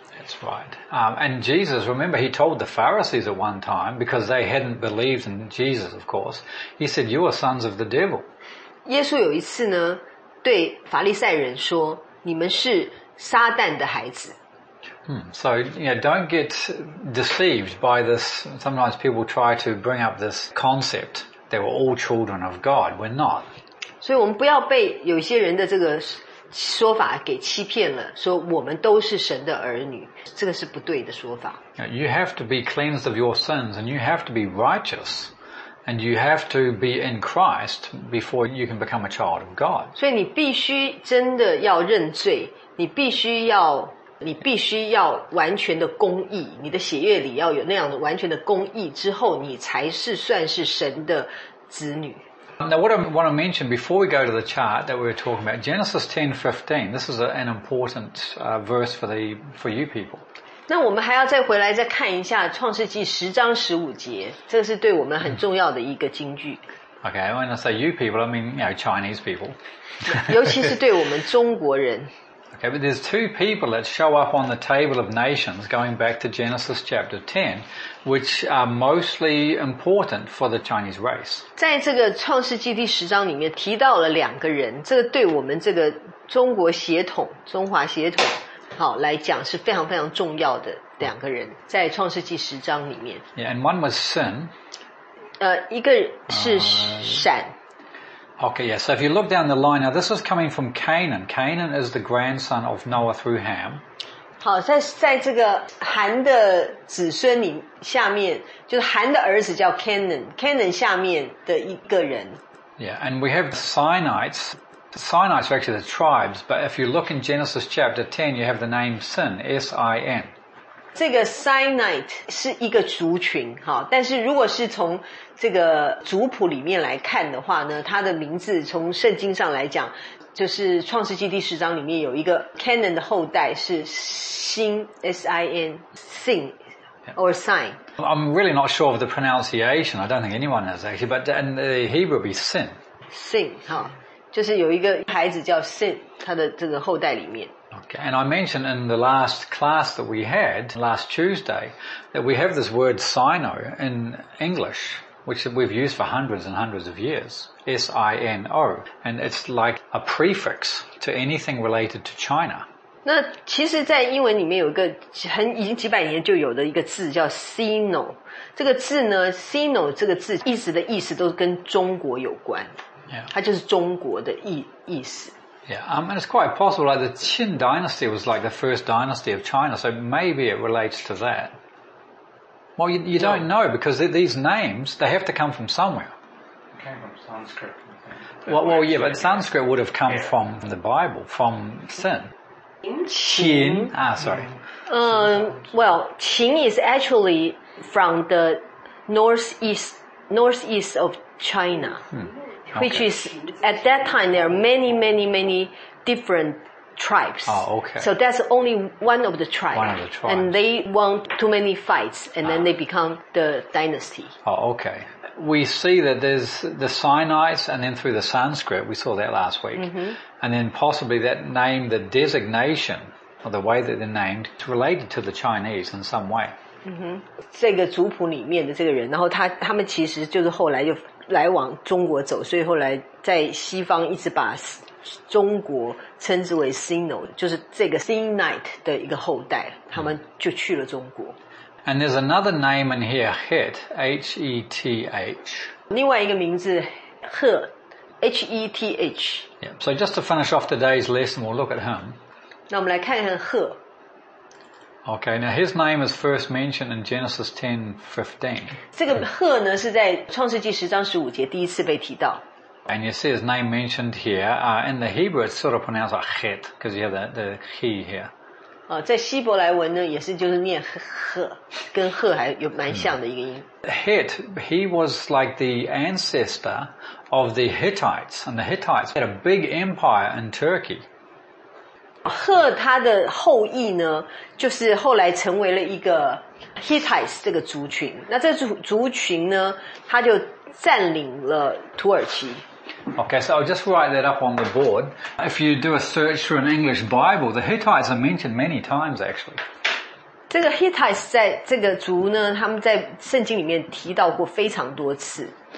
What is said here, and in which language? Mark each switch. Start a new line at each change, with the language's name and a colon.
English: That's right. And Jesus, remember, he told the Pharisees at one time, because they hadn't believed in Jesus, of course, he said, you are sons of the devil.
Chinese: 耶稣有一次呢对法利赛人说你们是撒旦的孩子。
English: So, you know, don't get deceived by this. Sometimes people try to bring up this concept that we're all children of God. We're not.
Chinese: 所以我们不要被有些人的这个说法给欺骗了，说我们都是神的儿女，这个是不对的说法。
English: You have to be cleansed of your sins, and you have to be righteous, and you have to be in Christ before you can become a child of God.
Chinese: 所以你必须真的要认罪，你必须要完全的公义，你的血液里要有那样的完全的公义之后，你才是算是神的子女。
English: Now what I want to mention before we go to the chart that we were talking about, Genesis 10:15, this is an important verse for you people.
Chinese: 那我们还要再回来再看一下创世纪十章十五节，这是对我们很重要的一个金句。
English: Okay, when I say you people, I mean, you know, Chinese people.
Chinese: 尤其是对我们中国人。
English: Okay, but there's two people that show up on the table of nations going back to Genesis chapter 10, which are mostly important for the Chinese race.
Chinese: 在这个创世纪第十章里面提到了两个人，这个对我们这个中国血统、中华血统，好来讲是非常非常重要的两个人，在创世纪十章里面。
English: Yeah, and one was Sin.
Chinese: 一个是闪。
English: Okay, yeah, so if you look down the line, now this is coming from Canaan. Canaan is the grandson of Noah through Ham.
Chinese: 好，在这个韩的子孙里下面，就是韩的儿子叫 Canaan, Canaan 下面的一个人。
English: Yeah, and we have the Sinites. The Sinites are actually the tribes, but if you look in Genesis chapter 10, you have the name Sin, S-I-N.
Chinese: 这个 Sinite 是一个族群，好，但是如果是从这个族谱里面来看的话呢，他的名字从圣经上来讲，就是创世纪第十章里面有一个 Canaan 的后代是 Sin, S-I-N, Sin.
English: or sign. I'm really not sure of the pronunciation. I don't think anyone is actually, but in the Hebrew be sin. Sin, huh?
Chinese: 就是有一个孩子叫 sin, 他的这个后代里面。
English: Okay, and I mentioned in the last class that we had last Tuesday that we have this word sino in English, which we've used for hundreds and hundreds of years, S-I-N-O, and it's like a prefix to anything related to China.
Chinese: 那其实在英文里面有一个很已经几百年就有的一个字叫 sino, 这个字呢 sino 这个字一直的意思都跟中国有关、
English: yeah.
Chinese: 它就是中国的 意思。
English: Yeah, and it's quite possible like the Qin dynasty was like the first dynasty of China, so maybe it relates to that. Well, you don't know because these names, they have to come from somewhere. It came from Sanskrit. Well, Sanskrit would have come from the Bible, from Sin. Qin? Ah, sorry. Qin is actually from the northeast of China. Which is, at that time, there are many, many, many different tribes. Oh, okay. So that's only one of the tribes. One of the tribes. And they won too many fights, and then they become the dynasty. Oh, okay. We see that there's the Sinites, and then through the Sanskrit, we saw that last week. Mm-hmm. And then possibly that name, the designation, or the way that they're named, is related to the Chinese in some way. Mm-hmm.
Chinese: 这个族谱里面的这个人，然后他们其实就是后来就来往中国走，所以后来在西方一直把中国称之为 Sino, 就是这个 Sinite 的一个后代，他们就去了中国。
English: And there's another name in here, Het, H-E-T-H.
Chinese: 另外一个名字 Heth.
English: Yeah, so just to finish off today's lesson, we'll look at him.
Chinese: 那我们来看看 He.
English: Okay, now his name is first mentioned in Genesis 10:15.
Chinese: 这个赫呢是在创世纪十章十五节第一次被提到。
English: And you see his name mentioned here. In the Hebrew, it's sort of pronounced like het, because you have the he here.
Chinese: 在希伯来文呢也是就是念赫，跟赫还有蛮像的一个音。
English: Het, he was like the ancestor of the Hittites, and the Hittites had a big empire in Turkey.
Chinese: 赫他的后裔呢就是后来成为了一个 Hittites 这个族群，那这族群呢他就占领了土耳其。
English: Okay, so I'll just write that up on the board. If you do a search through an English Bible, the Hittites are mentioned many times actually.
Chinese: 这个 Hittites 在这个族呢他们在圣经里面提到过非常多次。